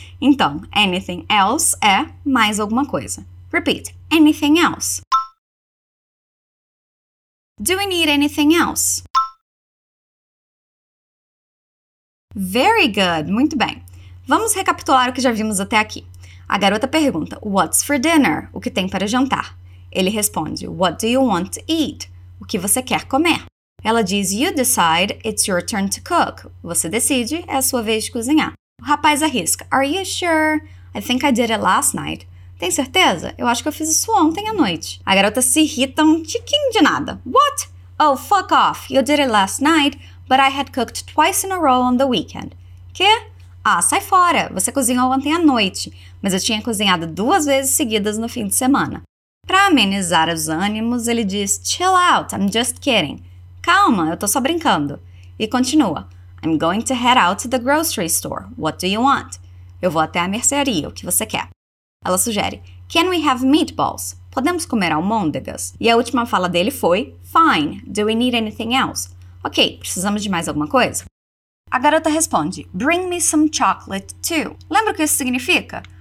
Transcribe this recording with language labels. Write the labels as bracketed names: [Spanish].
[Portuguese] Então, [English] anything else [Portuguese] é mais alguma coisa. [English] Repeat, anything else. Do we need anything else? Very good, [Portuguese] muito bem. Vamos recapitular o que já vimos até aqui. A garota pergunta, [English] what's for dinner? [Portuguese] O que tem para jantar? Ele responde, [English] what do you want to eat? [Portuguese] O que você quer comer? Ela diz, [English] you decide, it's your turn to cook. [Portuguese] Você decide, é a sua vez de cozinhar. O rapaz arrisca, [English] are you sure? I think I did it last night. [Portuguese] Tem certeza? Eu acho que eu fiz isso ontem à noite. A garota se irrita um tiquinho de nada. [English] What? Oh, fuck off. You did it last night, but I had cooked twice in a row on the weekend. [Portuguese] Quê? Ah, sai fora. Você cozinhou ontem à noite, mas eu tinha cozinhado duas vezes seguidas no fim de semana. Pra amenizar os ânimos, ele diz, [English] chill out, I'm just kidding. [Portuguese] Calma, eu tô só brincando. E continua. [English] I'm going to head out to the grocery store. What do you want? [Portuguese] Eu vou até a mercearia. O que você quer? Ela sugere. [English] Can we have meatballs? [Portuguese] Podemos comer almôndegas? E a última fala dele foi. [English] Fine. Do we need anything else? [Portuguese] Ok, precisamos de mais alguma coisa? A garota responde. [English] Bring me some chocolate too. [Portuguese] Lembra o que isso significa?